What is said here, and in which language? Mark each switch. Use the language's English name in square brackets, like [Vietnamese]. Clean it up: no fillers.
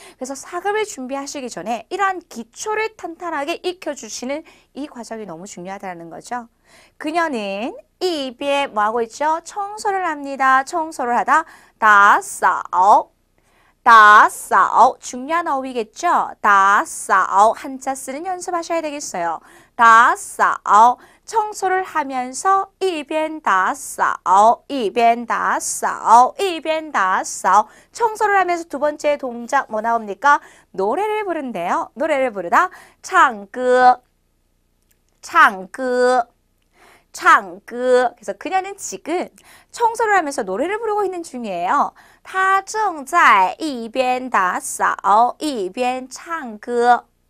[Korean] 그래서 4급을 준비하시기 전에 이러한 기초를 탄탄하게 익혀주시는 이 과정이 너무 중요하다는 거죠. 그녀는 이边 뭐 하고 있죠? 청소를 합니다. 청소를 하다 다싸오 다싸오 중요한 어휘겠죠? 다싸오 한자 쓰는 연습하셔야 되겠어요. 다싸오 청소를 하면서 [Chinese] 一边打扫,一边打扫,一边打扫. [Korean] 청소를 하면서 두 번째 동작 뭐 나옵니까? 노래를 부른대요. 노래를 부르다 [Chinese] 唱歌 唱歌 唱歌. [Korean] 그래서 그녀는 지금 청소를 하면서 노래를 부르고 있는 중이에요. [Chinese] 她正在一边打扫一边唱歌.